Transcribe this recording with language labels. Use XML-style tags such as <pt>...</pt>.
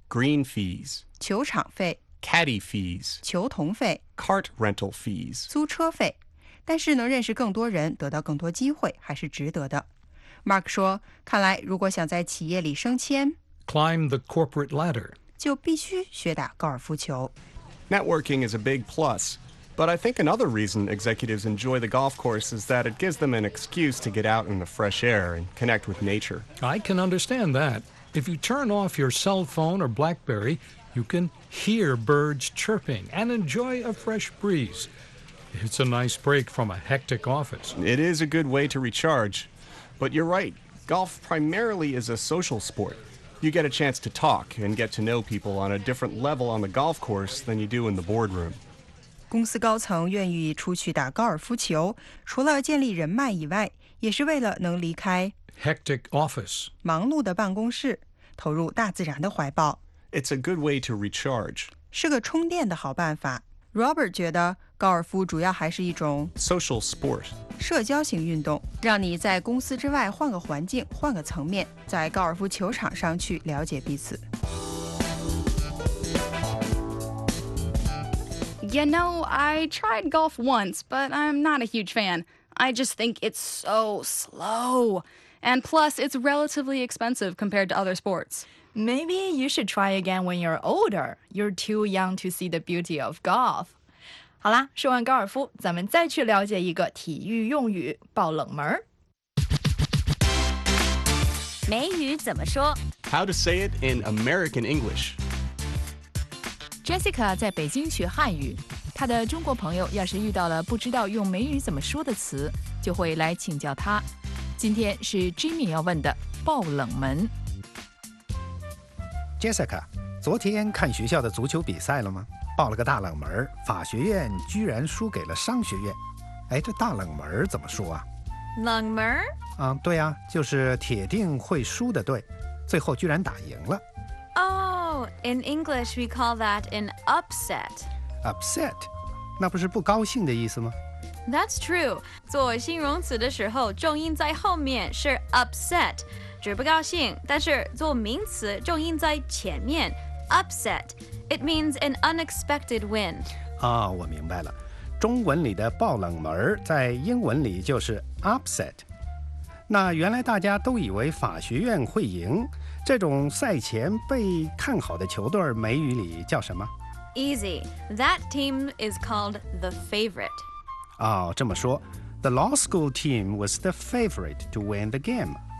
<en>Green fees</en> <zh>球场费、Caddy</zh> <en>fees</en> <zh>球童费、Cart</zh> <en>rental fees</en> <zh>租车费。但是能认识更多人，得到更多机会，还是值得的。Mark 说，看来如果想在企业里升迁</zh> <en>Climb the corporate ladder</en> <zh>就必须学打高尔夫球。Networking</zh> <en>is a big plus, but I think another reason executives enjoy the golf course is that it gives them an excuse to get out in the fresh air and connect with nature. I can understand that. If you turn off your cell phone or BlackBerry, you can hear birds chirping and enjoy a fresh breeze. It's a nice break from a hectic office. It is a good way to recharge. But you're right. Golf primarily is a social sport. You get a chance to talk and get to know people on a different level on the golf course than you do in the boardroom.</en> <zh>公司高层愿意出去打高尔夫球，除了建立人脉以外，也是为了能离开</zh> <en>hectic office</en> <zh>忙碌的办公室，投入大自然的怀抱。It's</zh> <en>a good way to recharge.</en> <zh>是个充电的好办法。Robert 觉得高尔夫主要还是一种</zh> <en>social sport</en> <zh>社交型运动，让你在公司之外换个环境，换个层面，在高尔夫球场上去了解彼此。</zh> <en>You know, I tried golf once, but I'm not a huge fan. I just think it's so slow. And plus, it's relatively expensive compared to other sports. Maybe you should try again when you're older. You're too young to see the beauty of golf.</en> <zh>好啦，说完高尔夫，咱们再去了解一个体育用语，爆冷门。美语怎么说？</zh> <en>How to say it in American English.</en> <zh>Jessica 在北京学汉语，她的中国朋友要是遇到了不知道用美语怎么说的词，就会来请教她。今天是 Jimmy 要问的爆冷门。 Jessica, 昨天看学校的足球比赛了吗？爆了个大冷门，法学院居然输给了商学院。哎，这大冷门怎么说啊？冷门？对啊，就是铁定会输的队，最后居然打赢了。</zh> <en>Oh, in English we call that an upset. Upset?</en> <zh>那不是不高兴的意思吗？</zh> <en>That's true.</en> <zh>做形容词的时候，重音在后面是 upset， 指不高兴。但是做名词，重音在前面 upset。</zh> <en>It means an unexpected win.</en> <zh>哦，我明白了。中文里的爆冷门在英文里就是 upset。那原来大家都以为法学院会赢，这种赛前被看好的球队，美语里叫什么？</zh> <en>Easy. That team is called the favorite.</en> <zh>哦，这么说</zh> <en>The law school team was the favorite to win the game.</en>